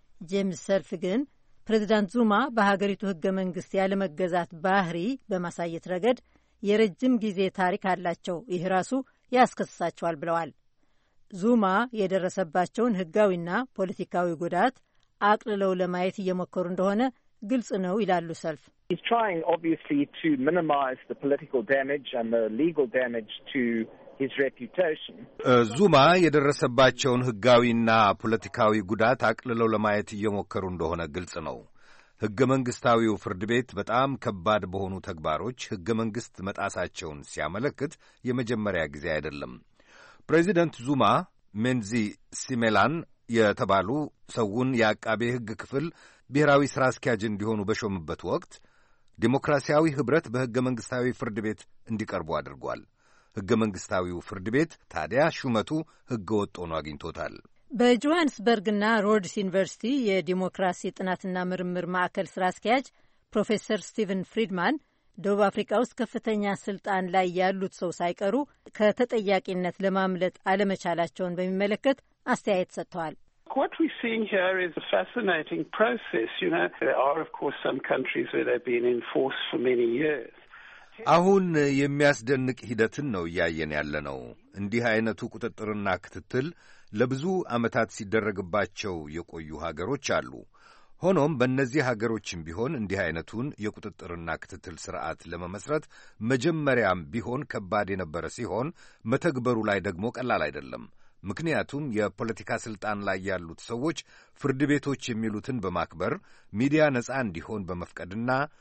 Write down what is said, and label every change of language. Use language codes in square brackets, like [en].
[am] ጄምስ ሰልፍ ግን ፕሬዚዳንት ዙማ በሀገሪቱ ሕገ መንግሥት ያለመገዛት ባህሪ በማሳየት ረገድ የረጅም ጊዜ ታሪክ አላቸው፣ ይህ ራሱ ያስከስሳቸዋል ብለዋል። ዙማ የደረሰባቸውን ሕጋዊና ፖለቲካዊ ጉዳት አቅልለው ለማየት እየሞከሩ እንደሆነ ግልጽ ነው ይላሉ ሰልፍ። [en] He's trying obviously to minimize the political damage and the legal damage to his reputation. [am] ዙማ የደረሰባቸውን ሕጋዊና ፖለቲካዊ ጉዳት አቅልለው ለማየት እየሞከሩ እንደሆነ ግልጽ ነው። ሕገ መንግሥታዊው ፍርድ ቤት በጣም ከባድ በሆኑ ተግባሮች ሕገ መንግሥት መጣሳቸውን ሲያመለክት የመጀመሪያ ጊዜ አይደለም። ፕሬዚደንት ዙማ ሜንዚ ሲሜላን የተባሉ ሰውን የአቃቤ ሕግ ክፍል ብሔራዊ ሥራ አስኪያጅ እንዲሆኑ በሾምበት ወቅት ዲሞክራሲያዊ ኅብረት በሕገ መንግሥታዊ ፍርድ ቤት እንዲቀርቡ አድርጓል። ሕገ መንግሥታዊው ፍርድ ቤት ታዲያ ሹመቱ ሕገ ወጥ ሆኖ አግኝቶታል። በጆሃንስበርግና ሮድስ ዩኒቨርሲቲ የዲሞክራሲ ጥናትና ምርምር ማዕከል ሥራ አስኪያጅ ፕሮፌሰር ስቲቨን ፍሪድማን ደቡብ አፍሪካ ውስጥ ከፍተኛ ሥልጣን ላይ ያሉት ሰው ሳይቀሩ ከተጠያቂነት ለማምለጥ አለመቻላቸውን በሚመለከት አስተያየት ሰጥተዋል። [en] What we're seeing here is a fascinating process, you know. There are of course some countries where they've been in force for many years. [am] አሁን የሚያስደንቅ ሂደትን ነው ያየን ያለነው። እንዲህ አይነቱ ቁጥጥርና ክትትል ለብዙ ዓመታት ሲደረግባቸው የቆዩ ሀገሮች አሉ። ሆኖም በእነዚህ ሀገሮችም ቢሆን እንዲህ አይነቱን የቁጥጥርና ክትትል ሥርዓት ለመመስረት መጀመሪያም ቢሆን ከባድ የነበረ ሲሆን መተግበሩ ላይ ደግሞ ቀላል አይደለም። ምክንያቱም የፖለቲካ ሥልጣን ላይ ያሉት ሰዎች ፍርድ ቤቶች የሚሉትን በማክበር ሚዲያ ነጻ እንዲሆን በመፍቀድና